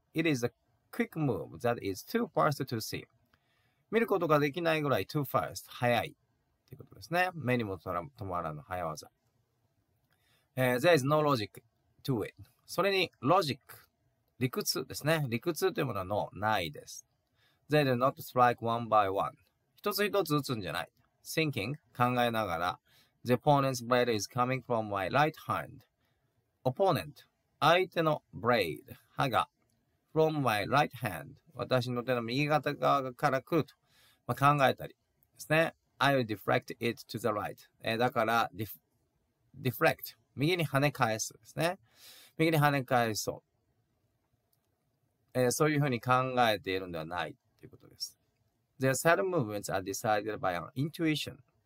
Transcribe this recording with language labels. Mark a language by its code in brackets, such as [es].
[en] It is a quick move that is too fast to see. [ja] 見ることができないぐらい [en] too fast [ja] 早いということですね。目にも止まらぬ早業。 [en] There is no logic to it. [ja] それにロジック、理屈ですね。理屈というものはないです。 [en] They do not strike one by one. [ja] 一つ一つ打つんじゃない。 Thinking、考えながら。 [en] The opponent's blade is coming from my right hand. Opponent、相手の blade、歯が。From my right hand。 [ja] 私の手の右肩側から来ると。まあ、考えたりですね。 [en] I'll deflect it to the right. [ja] だから deflect 右に跳ね返すですね。右に跳ね返そう、そういうふうに考えているのではないということです。 [en] The sudden movements are decided by an intuition.